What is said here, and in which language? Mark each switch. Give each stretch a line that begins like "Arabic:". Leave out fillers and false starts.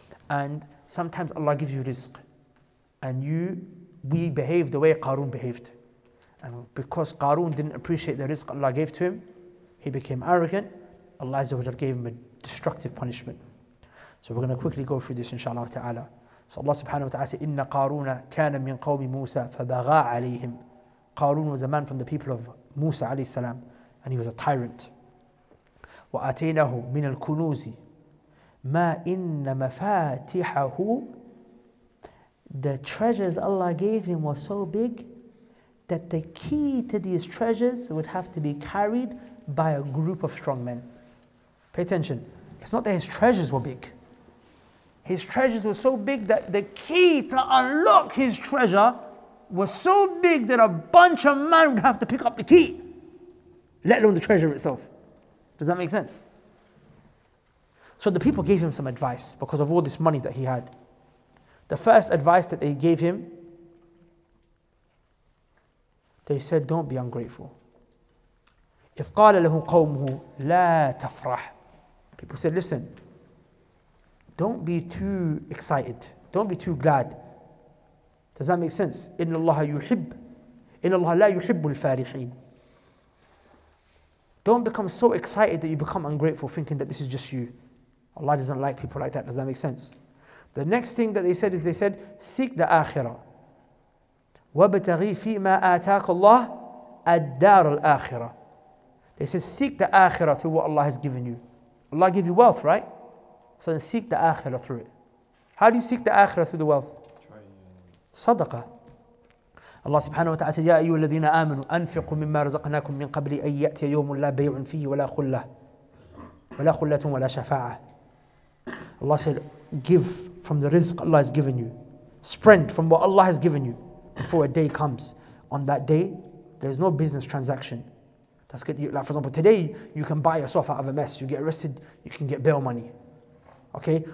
English: And sometimes Allah gives you rizq. And we behave the way Qaroon behaved. And because Qaroon didn't appreciate the rizq Allah gave to him, he became arrogant. Allah Azza wa Jalla gave him a destructive punishment. So we're going to quickly go through this, inshallah ta'ala. So Allah subhanahu wa ta'ala said,
Arabic: إِنَّ قَارُونَ كَانَ مِنْ قَوْمِ مُوسَى فَبَغَى عَلَيْهِمْ.
English: Qaroon was a man from the people of Musa alayhi salam, and he was a tyrant.
Arabic: وَآتَيْنَهُ مِنَ الْكُنُوزِ مَا إِنَّ مَفَاتِحَهُ.
English: The treasures Allah gave him were so big that the key to these treasures would have to be carried by a group of strong men. Pay attention. It's not that his treasures were big. His treasures were so big that the key to unlock his treasure was so big that a bunch of men would have to pick up the key, let alone the treasure itself. Does that make sense? So the people gave him some advice because of all this money that he had. The first advice that they gave him, they said, don't be ungrateful. If
Arabic: قَالَ لَهُمْ قَوْمُهُ لَا تَفْرَحْ.
English: People said, listen, don't be too excited. Don't be too glad. Does that make sense?
Arabic: إِنَّ اللَّهَ يُحِبُّ إِنَّ اللَّهَ لَا يُحِبُّ الْفَارِحِينَ.
English: Don't become so excited that you become ungrateful, thinking that this is just you. Allah doesn't like people like that. Does that make sense? The next thing that they said is, they said, seek the Akhirah.
Arabic: وَبْتَغِي فِي مَا آتَاكَ اللَّهِ الدَّارُ الْآخِرَةِ.
English: They said, seek the Akhirah through what Allah has given you. Allah gave you wealth, right? So then seek the Akhirah through it. How do you seek the Akhirah through the wealth? Sadaqah. Allah subhanahu wa ta'ala said,
Arabic: يَا أَيُّوَ الَّذِينَ آمَنُوا أَنْفِقُوا مِمَّا رَزَقْنَاكُمْ مِنْ قَبْلِ أَنْ يَأْتِيَ يَوْمٌ لَا بَيْعٌ فِيهِ وَلَا خُلَّةٌ وَلَا خُلَّةٌ وَلَا شَفَاعَةٌ.
English: Allah said, give from the rizq Allah has given you. Spread from what Allah has given you before a day comes. On that day, there's no business transaction. That's good. Like for example, today you can buy yourself out of a mess. You get arrested, you can get bail money. Okay?